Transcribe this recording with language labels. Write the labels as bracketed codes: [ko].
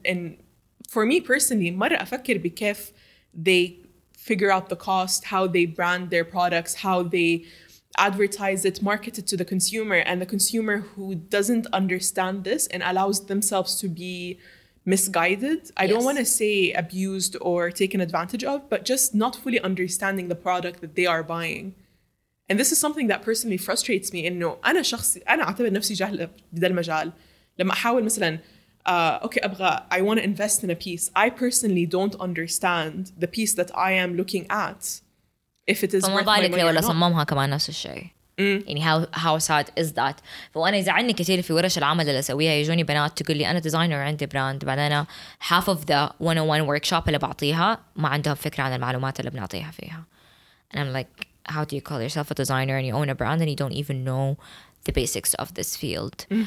[en] And for me personally, [ar] مرة أفكر بكيف [en] they figure out the cost, how they brand their products, how they advertise it, market it to the consumer, and the consumer who doesn't understand this and allows themselves to be misguided. I don't want to say abused or taken advantage of, but just not fully understanding the product that they are buying. And this is something that personally frustrates me. [ar] إنه أنا شخصي أنا أعتبر نفسي جاهلة بهذا المجال. لما أحاول مثلاً, [en] okay, [ar] أبغى [en] I want to invest in a piece. I personally don't understand the piece that I am looking at. If it is worth my money. [ar] ولا صممها كمان نفس الشيء. يعني [en] how sad is that. [ar] فأنا يزعلني كتير في ورش العمل اللي أسويها, يجوني بنات تقول لي أنا ديزاينر عندي براند, بعدين [en] half of the 101 workshop [ar] اللي بعطيها ما عندها فكرة عن المعلومات اللي بنعطيها فيها. [en] And I'm like, how do you call yourself a designer and you own a brand and you don't even know the basics of this field?